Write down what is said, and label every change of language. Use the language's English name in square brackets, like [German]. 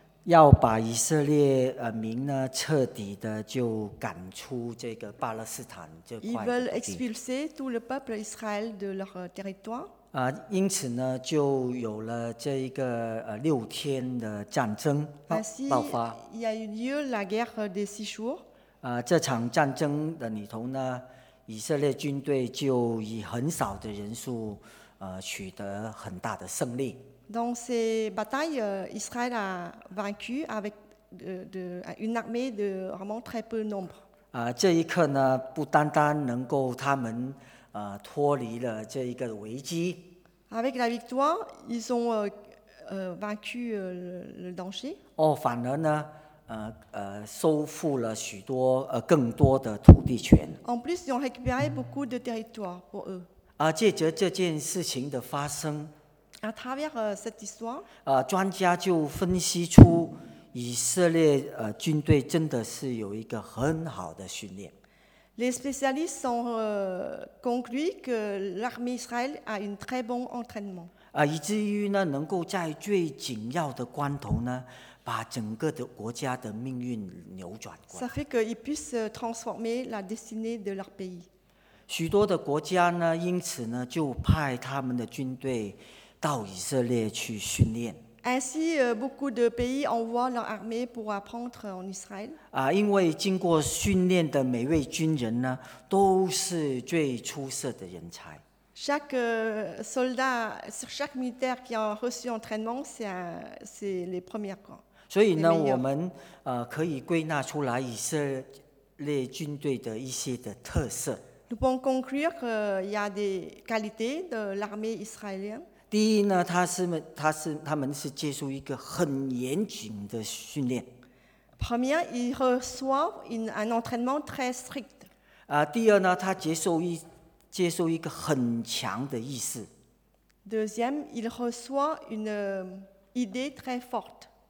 [Chinese] 要把以色列民呢彻底的就赶出这个巴勒斯坦这块地。 [French] Ils veulent expulser tout le peuple Israël de leur territoire. [Chinese] 因此呢就有了这一个六天的战争爆发。 [French] Il y a eu lieu la guerre des six jours. [Chinese] 这场战争的里头呢以色列军队就以很少的人数取得很大的胜利。 [French] Dans ces batailles, Israël a vaincu avec une armée de vraiment très peu nombre. [Chinese] 这一刻呢不单单能够他们脱离了这一个危机。 [French] Avec la victoire, ils ont vaincu le danger. [Chinese] 反而呢，收复了许多更多的土地权。 [French] En plus, ils ont récupéré beaucoup de territoire pour eux. [Chinese] 借着这件事情的发生 [French] ，À travers cette histoire, [Chinese] 专家就分析出以色列军队真的是有一个很好的训练。 [French] Les spécialistes ont conclu que l'armée Israël a un très bon entraînement. [Chinese] 以至于呢，能够在最紧要的关头呢，把整个的国家的命运扭转过来。 [French] Ça fait qu'ils puissent transformer la destinée de leur pays. [Chinese] 许多的国家呢，因此呢，就派他们的军队到以色列去训练。 [French] Ainsi, beaucoup de pays envoient leur armée pour apprendre en Israël. [Chinese] 因为经过训练的每位军人呢，都是最出色的人才。 [French] Chaque soldat, chaque militaire qui a reçu entraînement, c'est les premiers quoi. [Chinese] 所以呢，我们可以归纳出来以色列军队的一些的特色。 [French] Nous pouvons conclure qu'il y a des qualités de l'armée israélienne. [Chinese] 第一呢，他们是接受一个很严谨的训练。 [French] Premier, ils reçoivent un entraînement très strict. [Chinese] 第二呢，他接受一个很强的意识。 [French] Deuxième, ils reçoivent une idée très forte.